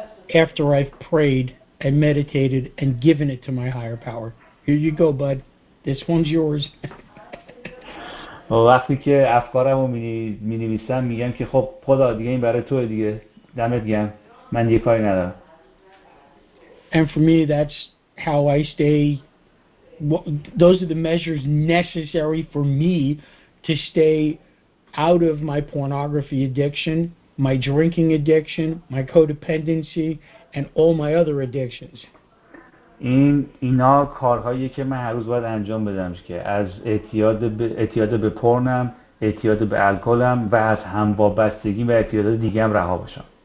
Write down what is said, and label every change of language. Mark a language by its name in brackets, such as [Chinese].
[English] After I've prayed and meditated and given it to my higher power. Here you go, bud. This one's yours. [Persian] وقتی که افکارمو می‌نویسم میگم که خب خدا دیگه این برای توئه دیگه. دمت گرم. من یه کاری ندارم. [English] And for me that's how I stay. Those are the measures necessary for me to stay out of my pornography addiction, my drinking addiction, my codependency, and all my other addictions. [Persian] اینا کارهایی که من هر روز باید انجام بدم که از اعتیاد به پورنم، اعتیاد به الکلم و از هم‌وابستگی و اعتیاد دیگه‌ام رها بشم.